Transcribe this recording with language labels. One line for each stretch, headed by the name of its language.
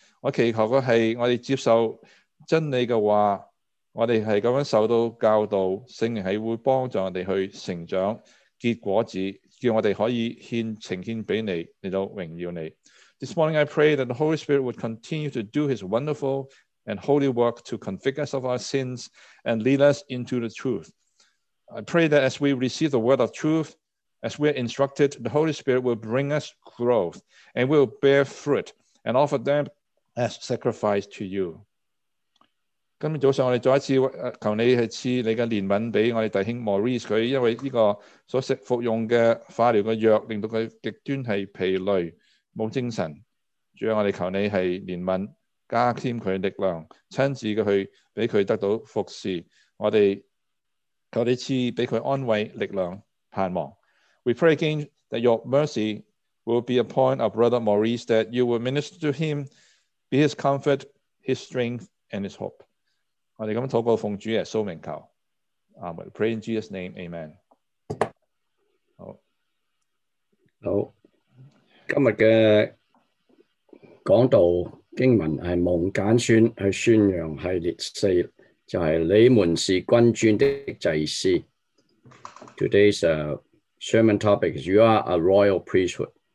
Chinese: 我祈求的是我们接受真理的话，我们是这样受到教导，圣灵是会帮助我们去成长结果子，叫我们可以献呈献给你，来到荣耀你。
English: This morning I pray that the Holy Spirit would continue to do his wonderful and holy work to convict us of our sins and lead us into the truth. I pray that as we receive the word of truth, as we are instructed, the Holy Spirit will bring us growth and will bear fruit and offer them as sacrifice to you.
Chinese: 今天早上我们再一次求你去赐你的怜悯给我们弟兄 Maurice， 他因为这个所服用的化疗的药令到他极端是疲累没精神，主要我们求你是怜悯加添他力量，亲自的去给他得到服侍，我们求你赐给他安慰力量盼望。
English: We pray again that your mercy will be upon our brother Maurice, that you will minister to him, be his comfort, his strength, and his hope.
Chinese: 我们这样祷告奉主耶稣名求。
English: Amen. Pray in Jesus' name. Amen. 好。
Chinese: 好。今天的讲道经文是蒙拣选去宣扬系列四，就是你们是君尊的祭司。
English: Today's sermon topic is You are a royal priesthood.